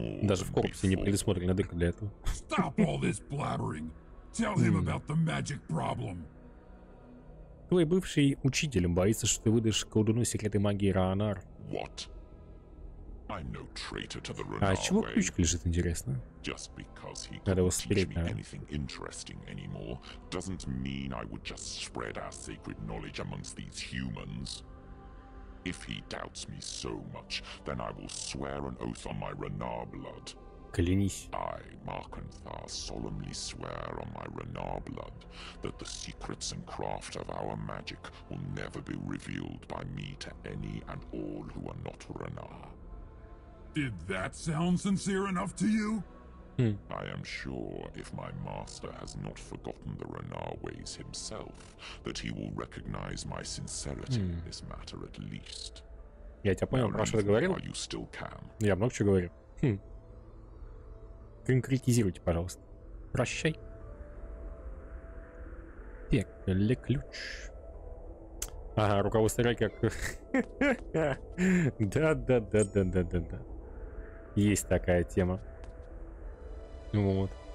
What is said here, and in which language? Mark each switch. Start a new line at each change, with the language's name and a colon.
Russian: Даже в корпусе не предусмотрена дырка для этого.
English: Stop all this blabbering! Tell him about the magic problem.
Russian: Твой бывший учитель боится, что ты выдашь колдуну секреты магии Ранар.
English: What? I'm no traitor to the Ranar.
Russian: А чего ключик лежит, интересно?
English: Just because he can't teach me anything interesting anymore doesn't mean I would just spread our sacred knowledge amongst these humans. If he doubts me so much, then I will swear an oath on my Ranar blood.
Russian: Клянись.
English: I, Markanthar, solemnly swear on my Renar blood that the secrets and craft of our magic will never be revealed by me to any and all who are not Renar. Did that sound sincere enough to you? I am sure if my master has not forgotten the Renar ways himself, that he will recognize my sincerity in this matter at least.
Russian: Я тебя понял, про что ты говорил? Я много чего говорил. Конкретизируйте, пожалуйста. Прощай. Пекле ключ. Ага, руководство реки. Да. Есть такая тема. Вот.